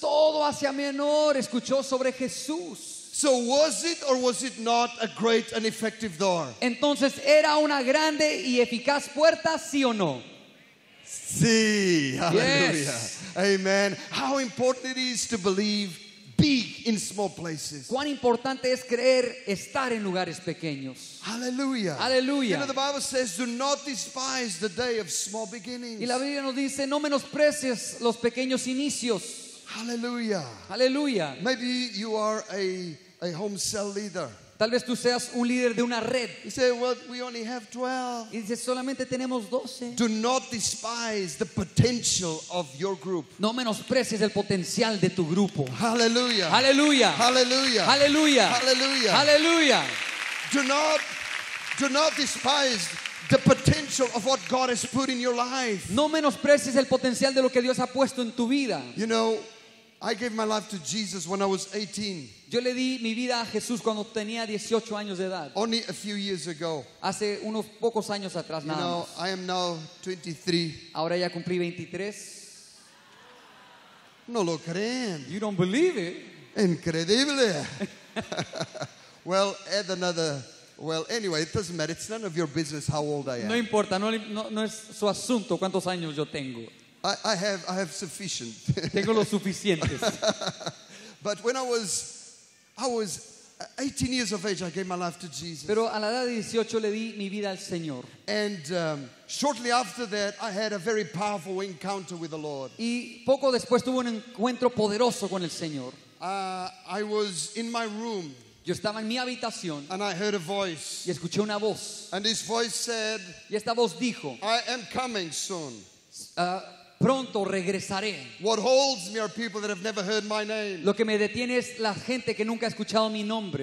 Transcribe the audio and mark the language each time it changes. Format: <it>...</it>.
<es>Todo Asia Menor escuchó sobre Jesús.</es> <en>So was it or was it not a great and effective door?</en> <es>Entonces, ¿era una grande y eficaz puerta, sí o no? Sí. Hallelujah.</es> <en>Yes. Amen. How important it is to believe big in small places.</en> <es>Cuán importante es creer estar en lugares pequeños. Hallelujah. Hallelujah.</es> <en>You know, the Bible says, do not despise the day of small beginnings.</en> <es>Y la Biblia nos dice, no menosprecies los pequeños inicios. Hallelujah. Hallelujah.</es> <en>Maybe you are a home cell leader.</en> <es>Tal vez tú seas un líder de una red.</es> <en>You say, well, we only have 12.</en> <es>Y dices, solamente tenemos 12.</es> <en>Do not despise the potential of your group.</en> <es>No menosprecies el potencial de tu grupo. Hallelujah. Hallelujah. Hallelujah. Hallelujah. Hallelujah. Hallelujah.</es> <en>Do not despise the potential of what God has put in your life.</en> <es>No menosprecies el potencial de lo que Dios ha puesto en tu vida.</es> <en>You know, I gave my life to Jesus when I was 18.</en> <es>Yo le di mi vida a Jesús cuando tenía 18 años de edad.</es> <en>Only a few years ago.</en> <es>Hace unos pocos años atrás, nada más.</es> <en>You know, I am now 23.</en> <es>Ahora ya cumplí 23. No lo creen.</es> <en>You don't believe it.</en> <es>Increíble.</es> <en>Well, add another. Well, anyway, it doesn't matter. It's none of your business how old I am.</en> <es>No importa, no es su asunto cuántos años yo tengo.</es> <en>I have sufficient.</en> <es>Tengo los suficientes.</es> <en>But when I was 18 years of age, I gave my life to Jesus.</en> <es>Pero a la edad de 18 le di mi vida al Señor.</es> <en>And shortly after that, I had a very powerful encounter with the Lord.</en> <es>Y poco después tuve un encuentro poderoso con el Señor.</es> <en>I was in my room.</en> <es>Yo estaba en mi habitación.</es> <en>And I heard a voice.</en> <es>Y escuché una voz.</es> <en>And this voice said,</en> <es>y esta voz dijo,</es> <en>I am coming soon.</en> <es>Pronto regresaré.</es> <en>What holds me are people that have never heard my name.</en> <es>Lo que me detiene es la gente que nunca ha escuchado mi nombre.</es>